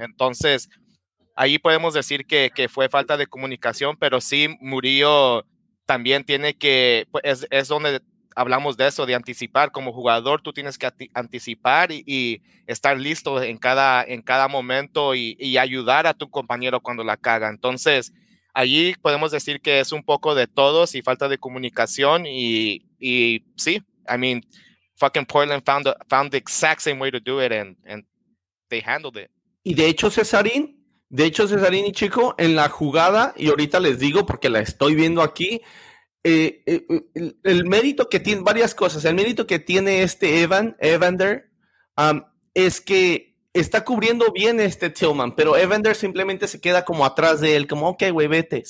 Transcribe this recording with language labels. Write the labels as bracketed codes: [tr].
[es] Entonces, ahí podemos decir que fue falta de comunicación, pero sí, Murillo también tiene que, es donde hablamos de eso, de anticipar. Como jugador, tú tienes que anticipar y estar listo en cada momento y ayudar a tu compañero cuando la caga. Entonces, allí podemos decir que es un poco de todos y falta de comunicación. Y sí, [en] I mean, fucking Portland found the exact same way to do it and they handled it. [es] Y de hecho, Cesarín y Chico, en la jugada, y ahorita les digo porque la estoy viendo aquí, el mérito que tiene, varias cosas, el mérito que tiene este Evander, es que está cubriendo bien este Tillman, pero Evander simplemente se queda como atrás de él, como, ok, güey, vete.